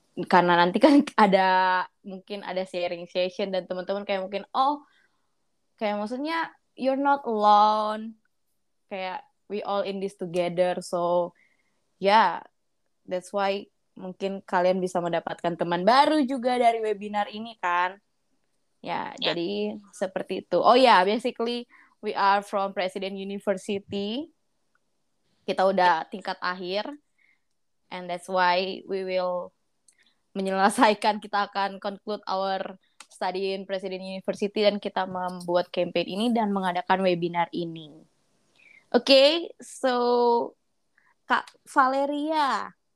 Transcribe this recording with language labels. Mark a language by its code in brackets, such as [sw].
[id] karena nanti kan ada, mungkin ada sharing session, dan teman-teman kayak mungkin oh, kayak maksudnya [en] you're not alone, [id] kayak [en] we all in this together. So yeah, that's why [id] mungkin kalian bisa mendapatkan teman baru juga dari webinar ini kan. Jadi seperti itu. [en] Oh ya, basically we are from Presiden University. [id] Kita udah tingkat akhir. [en] And that's why we will [id] menyelesaikan, kita akan [en] conclude our study in Presiden University [id] dan kita membuat campaign ini dan mengadakan webinar ini. Okay, so Kak Valeria.